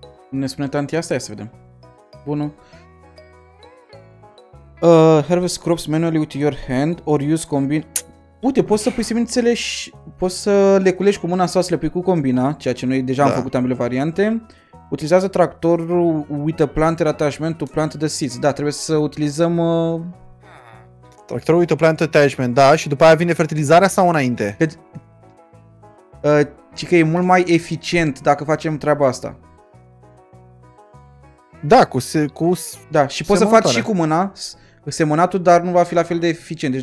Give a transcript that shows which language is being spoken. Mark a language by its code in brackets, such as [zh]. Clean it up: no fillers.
[ro] Ne spune tantia asta, ia să vedem. Bună. [en] Harvest crops manually with your hand or use combine... [ro] Uite, poți să pui semințele și poți să le culești cu mâna sau să le pui cu combina, ceea ce noi deja am făcut ambele variante. Utilizează tractorul [en] with a planter attachment to plant the seeds. [ro] Da, trebuie să utilizăm... Tractorul [en] with a planter attachment, [ro] da, și după aia vine fertilizarea sau înainte? Ci că e mult mai eficient dacă facem treaba asta. Da, cu da, și semănătare. Poți să faci și cu mâna semănatul, dar nu va fi la fel de eficient.